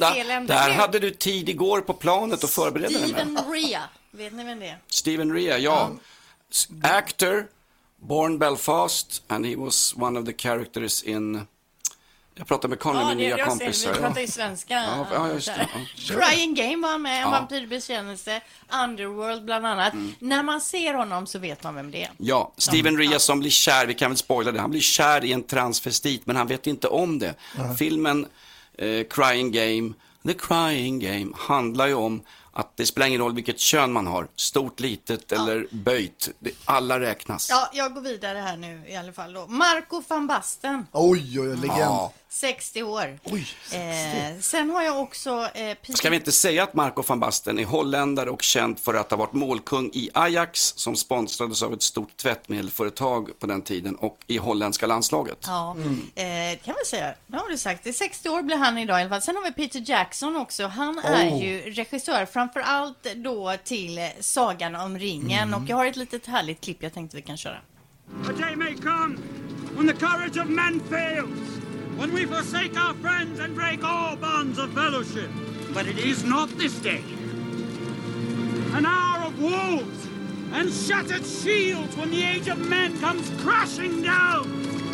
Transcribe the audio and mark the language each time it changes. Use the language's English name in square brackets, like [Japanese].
[Swedish] börjar Linda, där hade du tid igår på planet och förberedde dig med Steven Rea, vet ni vem det är? Steven Rea, ja. [English] Actor, born Belfast, and he was one of the characters in... [Swedish] Jag pratar med Conny, min nya kompis. Vi pratar i svenska. Crying Game var med, en vampyrbekännelse. Underworld bland annat. Mm. När man ser honom så vet man vem det är. Ja, Steven Rea som blir kär, vi kan väl spoila det. Han blir kär i en transvestit, men han vet inte om det. Uh-huh. Filmen Crying Game, The Crying Game, handlar ju om att det spelar ingen roll vilket kön man har. Stort, litet eller böjt. Alla räknas. Ja, jag går vidare här nu i alla fall då. Marco van Basten. Oj, legend. Ja. 60 år. Oj, 60. Sen har jag också... Ska vi inte säga att Marco van Basten är holländare och känd för att ha varit målkung i Ajax som sponsrades av ett stort tvättmedelföretag på den tiden och i holländska landslaget. Ja, kan man säga. Det har du sagt. Det är 60 år blir han idag i alla fall. Sen har vi Peter Jackson också. Han är ju regissör framförallt då till Sagan om ringen. Mm. Och jag har ett litet härligt klipp jag tänkte vi kan köra. [English] A day may come when the courage of men fails. When we forsake our friends and break all bonds of fellowship. But it is not this day. An hour of walls and shattered shields when the age of men comes crashing down.